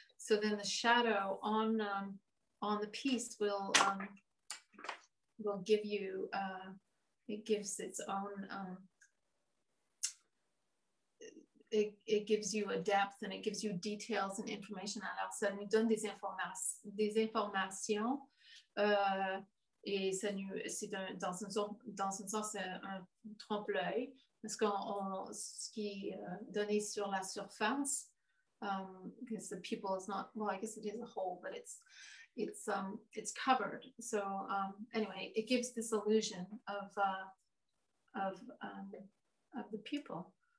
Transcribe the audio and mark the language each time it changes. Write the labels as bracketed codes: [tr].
[en] So then the shadow on the piece will give you, it gives its own, it gives you a depth and it gives you details and information. And [fr] alors, ça nous donne des informations. Et ça nous, c'est un, dans un sens, c'est un trompe-l'œil. Parce que ce qui est donné sur la surface, [en] because the pupil is not, well, I guess it is a hole, but it's covered. So anyway, it gives this illusion of the pupil.